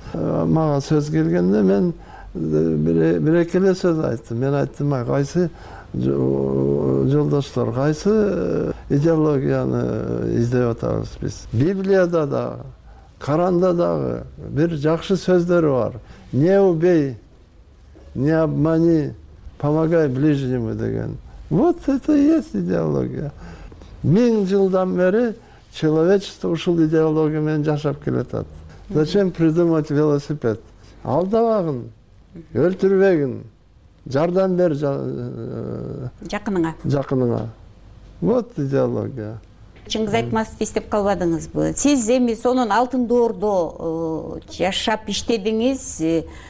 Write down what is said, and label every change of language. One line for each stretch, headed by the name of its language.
Kyrgyz: Мага сөз келгенде мен бир эки эле сөз айттым. Мен айттым, кайсы жолдоштор, кайсы идеологияны издеп атабыз биз. Библияда да, Коранда дагы бир жакшы сөздөр бар.
Russian: Не убей, не обмани, помогай ближнему деген. Вот это и есть идеология.
Kyrgyz: Миң жылдан бери человечество ушул идеология менен жашап келатат.
Russian: Зачем придумать велосипед?
Kyrgyz: Алдабагын, өлтүрбөгүн, жардам бер жакыныңа. Жакыныңа.
Russian: Вот идеология.
Kyrgyz: Чыңгыз Айтматов эстеп калбадыңызбы? Сиз эми сонун алтын доордо жашап иштедиңиз.